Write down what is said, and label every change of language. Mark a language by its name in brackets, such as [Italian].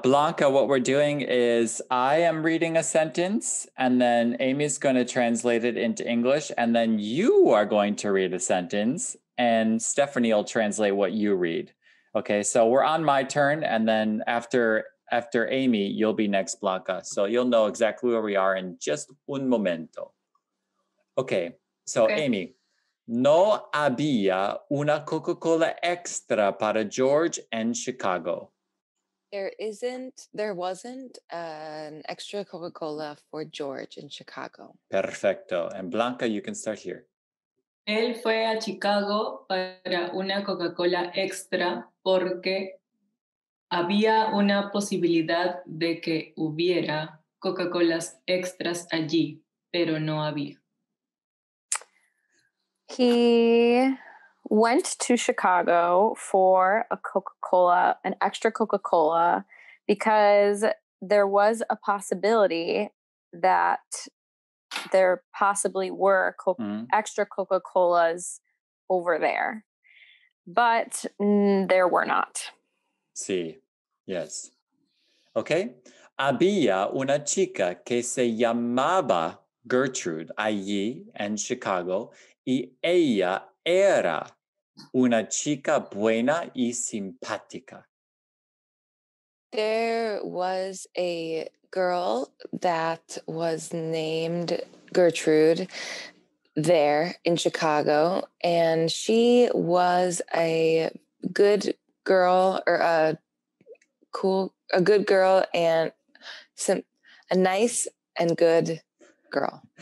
[English] Blanca, what we're doing is I am reading a sentence and then Amy's going to translate it into English and then you are going to read a sentence and Stephanie will translate what you read. Okay, so we're on my turn and then after Amy, you'll be next, Blanca. So you'll know exactly where we are in just [Spanish] un momento. [English] Okay, so okay. [Spanish] Amy, no había una Coca-Cola extra para George en Chicago. [English] There wasn't an extra Coca-Cola for George in Chicago. Perfecto. And Blanca, you can start here. [Spanish] Él fue a Chicago para una Coca-Cola extra porque había una posibilidad de que hubiera Coca-Colas extras allí, pero no había. [English] He went to Chicago for an extra Coca-Cola, because there was a possibility that there possibly were extra Coca-Colas over there, but there were not. Sí, yes. Okay. [Spanish] Había una chica que se llamaba Gertrude allí en Chicago, y ella era una chica buena y simpática. [English] There was a girl that was named Gertrude there in Chicago, and she was a good girl or a cool, a good girl and some, a nice and good girl.